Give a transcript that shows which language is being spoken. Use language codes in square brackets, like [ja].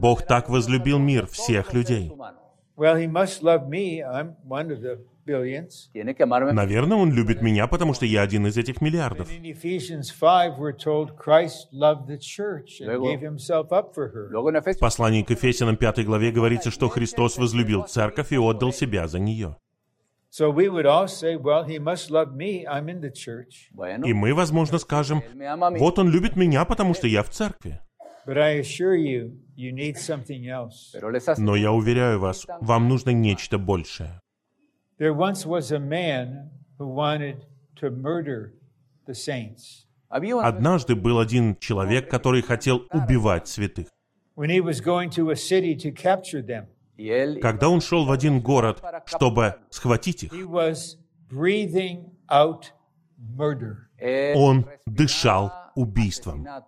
[ru] Бог так возлюбил мир, всех людей. Наверное, Он любит меня, потому что я один из этих миллиардов. В послании к Ефесянам 5 главе говорится, что Христос возлюбил церковь и отдал Себя за нее. [en] So we would all say, well, he must love me, I'm in the church. [ru] И мы, возможно, скажем, вот он любит меня, потому что я в церкви. [en] But I assure you, you need something else. [ru] Но я уверяю вас, вам нужно нечто большее. [en] There once was a man who wanted to murder the saints. [ru] Однажды был один человек, который хотел убивать святых. [en] When he was going to a city to capture them. [ru] Когда он шел в один город, чтобы схватить их, он дышал убийством.